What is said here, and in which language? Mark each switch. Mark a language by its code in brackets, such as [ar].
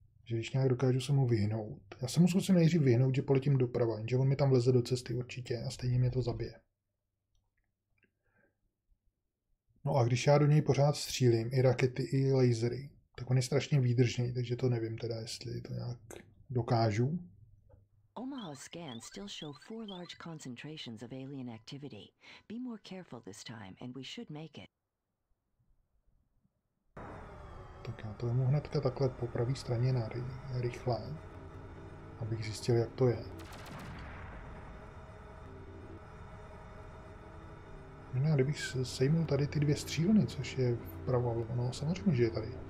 [cs] že když nějak dokážu se mu vyhnout. Já se mu zkusím nejdřív vyhnout, že poletím doprava, že on mi tam vleze do cesty určitě a stejně mě to zabije. No a když já do něj pořád střílím, i rakety, i lasery, tak on je strašně výdržný, takže to nevím teda, jestli to nějak dokážu. [en] Omaha scans still show four large concentrations of alien activity. Be more careful this time and we should make it. [cs] Tak já to vemu hnedka takhle po pravý straně na rychle, abych zjistil, jak to je. No a kdybych sejmul tady ty dvě střílny, což je vpravo, no samozřejmě, že je tady.